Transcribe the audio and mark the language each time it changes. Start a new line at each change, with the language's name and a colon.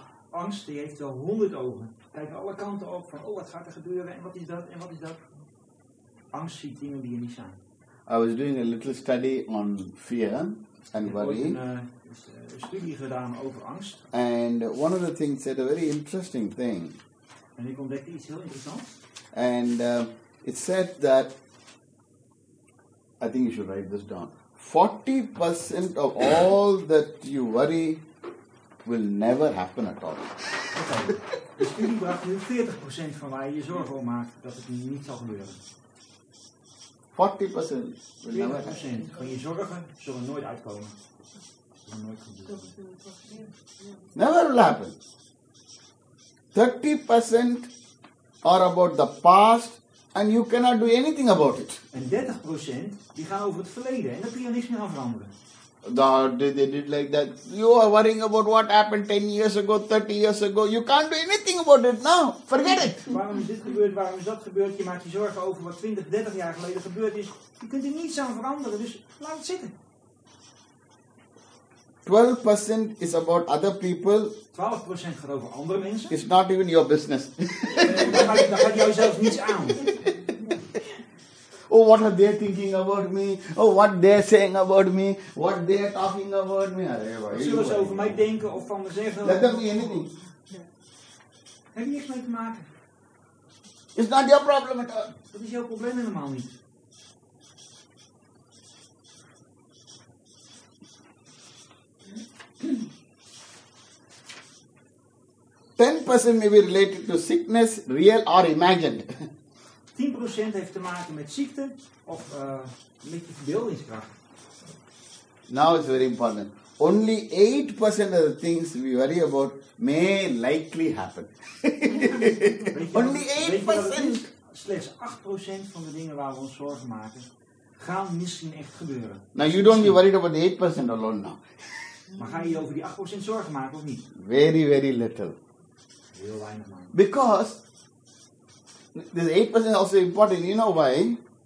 Dutch: Angst die heeft wel 100 ogen. Kijk alle kanten op van oh wat gaat er gebeuren en wat is dat en wat is dat. Angst ziet dingen die er niet zijn.
English: I was doing a little study on fear and worry.
Dutch: Een studie gedaan over angst.
English: And one of the things said a very interesting thing.
Dutch: En ik ontdekte iets heel interessants.
English: And it said that, I think you should write this down. 40% of all that you worry will never happen at all. Okay.
Dutch: De studie bracht nu 40% van waar je je zorgen om maakt dat het niet zal gebeuren.
English: 40% will never happen.
Dutch: Van je zorgen zullen nooit uitkomen. Nooit
English: never will happen. 30% are about the past. And you cannot do anything about it.
Dutch: En 30% die gaan over het verleden en dat kun je niks meer aan veranderen.
English: They did like that. You are worrying about what happened 10 years ago, 30 years ago. You can't do anything about it now. Forget it.
Dutch: Waarom is dit gebeurd? Waarom is dat gebeurd? Je maakt je zorgen over wat 20, 30 jaar geleden gebeurd is. Je kunt er niets aan veranderen, dus laat het zitten.
English: 12% is about other people.
Dutch: 12% gaat over andere mensen.
English: It's not even your business.
Dutch: Dan gaat jou zelfs niets aan.
English: Oh, what are they thinking about me? Oh, what they're saying about me? What they're talking about me?
Dutch: Wat zullen ze over mij denken of van me zeggen?
English: Let them be anything.
Dutch: Ja. Heb je niks mee te maken?
English: It's not your problem at all.
Dutch: Dat is jouw probleem helemaal niet.
English: Percent may be related to sickness, real or imagined.
Dutch: 10% heeft te maken met ziekte of met je verbeeldingskracht.
English: Now it's very important. Only 8% of the things we worry about may likely happen. Only 8%.
Dutch: Slechts 8% van de dingen waar we ons zorgen maken, gaan misschien echt gebeuren.
English: Now you don't be worried about the 8% alone now.
Dutch: Maar ga je over die 8% zorgen maken of niet?
English: Very, very little. Because this 8% is also important. You know why?